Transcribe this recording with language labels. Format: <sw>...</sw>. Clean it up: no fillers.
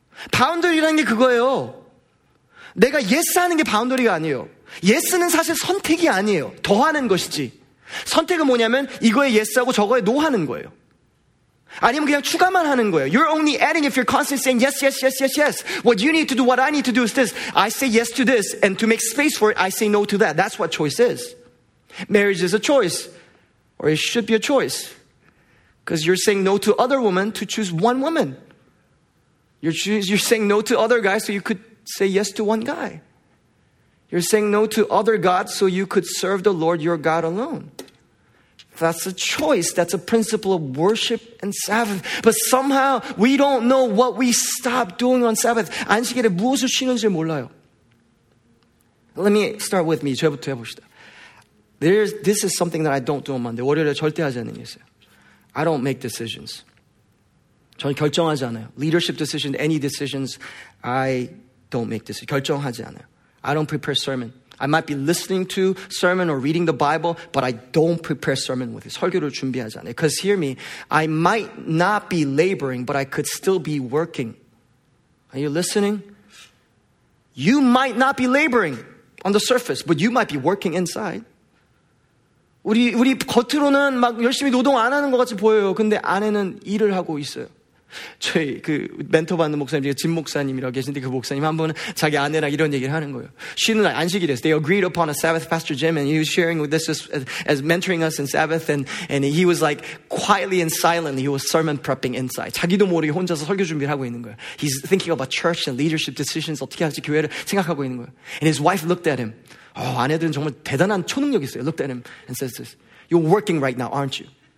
<ko>Boundary라는 게 그거예요. 내가 yes 하는 게 boundary가 아니에요. Yes는 사실 선택이 아니에요. 더하는 것이지. 선택은 뭐냐면 이거에 yes하고 저거에 no하는 거예요. 아니면 그냥 추가만 하는 거예요.</ko> <en>You're only adding if you're constantly saying yes, yes, yes, yes, yes. What you need to do, what I need to do is this. I say yes to this and to make space for it, I say no to that. That's what choice is. Marriage is a choice. Or it should be a choice. Because you're saying no to other women to choose one woman. You're saying no to other guys so you could say yes to one guy. You're saying no to other gods so you could serve the Lord your God alone. That's a choice. That's a principle of worship and Sabbath. But somehow we don't know what we stop doing on Sabbath.</en> <ko>안식일에 무엇을 쉬는지 몰라요.</ko> <en>Let me start with me.</en> <ko>저부터 해봅시다.</ko> <en>This is something that I don't do on Monday.</en> <ko>월요일에 절대 하지 않는 게 있어요.</ko> <en>I don't make decisions.</en> <ko>저는 결정하지 않아요.</ko> <en>Leadership decisions, any decisions, I don't make decisions.</en> <ko>결정하지 않아요.</ko> <en>I don't prepare sermon. I might be listening to sermon or reading the Bible, but I don't prepare sermon with it.</en> <ko>설교를 준비하지 않아요.</ko> <en>Because hear me, I might not be laboring, but I could still be working. Are you listening? You might not be laboring on the surface, but you might be working inside.</en> <ko>우리 겉으로는 막 열심히 노동 안 하는 것 같이 보여요. 근데 안에는 일을 하고 있어요. 저희 그 멘토 받는 목사님 중에 진 목사님이라고 계신데 그 목사님 한 분은 자기 아내랑 이런 얘기를 하는 거예요.</ko> <en>She and I,</en> <ko>안식일에서</ko> <en>they agreed upon a Sabbath, Pastor Jim, and he was sharing with this as mentoring us in Sabbath, and he was like quietly and silently, he was sermon prepping inside.</en> <ko>자기도 모르게 혼자서 설교 준비를 하고 있는 거예요.</ko> <en>He's thinking about church and leadership decisions,</en> <ko>어떻게 할지 교회를 생각하고 있는 거예요.</ko> <en>And his wife looked at him.</en> <ko>Oh, 아내들은 정말 대단한 초능력이 있어요.</ko> <en>Looked at him and says this, you're working right now, aren't you?</en>